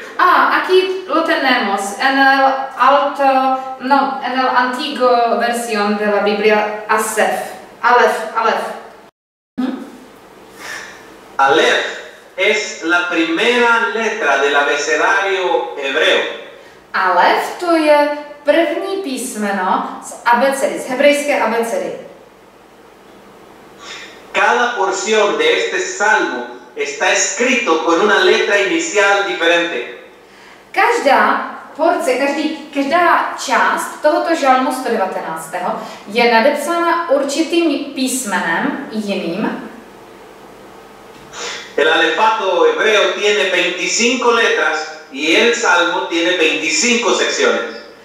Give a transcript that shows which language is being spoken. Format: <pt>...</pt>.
<es>Ah, aquí lo tenemos. En el alto, no, en el antiguo versión de la Biblia, Asaf. Aleph, Aleph. Aleph es la primera letra del abecedario hebreo.</es> <cs>Alef to je první písmeno z abecedy, z hebrejské abecedy.</cs> <es>Cada porción de este salmo está escrito con una letra inicial diferente.</es> <cs>Každá porce, každá část tohoto žalmu 119. je nadepsána určitým písmenem jiným.</cs> <es>El alefato hebreo tiene 25 letras y el salmo tiene 25 secciones.</es>